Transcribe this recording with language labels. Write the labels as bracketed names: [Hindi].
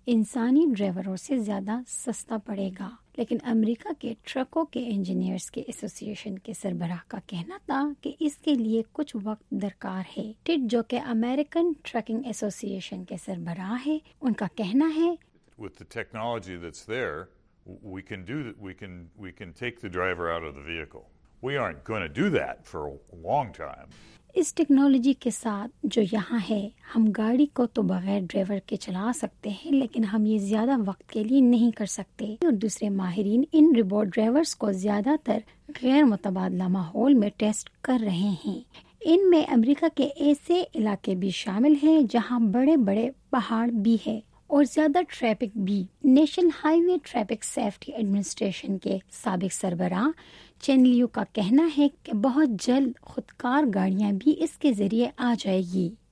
[Urdu] انسانی ڈرائیوروں سے زیادہ سستا پڑے گا۔ لیکن امریکہ کے ٹرکوں کے انجینئرز کے ایسوسی ایشن کے سربراہ کا کہنا تھا کہ اس کے لیے کچھ وقت درکار ہے۔ ٹٹ، جو کہ امریکن ٹرکنگ ایسوسی ایشن کے سربراہ ہے، ان کا کہنا ہے [English] With the technology that's there, we can take the driver out of the vehicle. We aren't going to do that for a long time. [Urdu] اس technology کے ساتھ جو یہاں ہے، ہم گاڑی کو تو بغیر ڈرائیور کے چلا سکتے ہیں، لیکن ہم یہ زیادہ وقت کے لیے نہیں کر سکتے۔ اور دوسرے ماہرین ان ریبوٹ ڈرائیورز کو زیادہ تر غیر متبادلہ ماحول میں ٹیسٹ کر رہے ہیں۔ ان میں امریکہ کے ایسے علاقے بھی شامل ہیں جہاں بڑے بڑے پہاڑ بھی ہے اور زیادہ ٹریفک بھی۔ National high way traffic safety administration کے سابق سربراہ چین لیو کا کہنا ہے کہ بہت جلد خودکار گاڑیاں بھی اس کے ذریعے آ جائے گی۔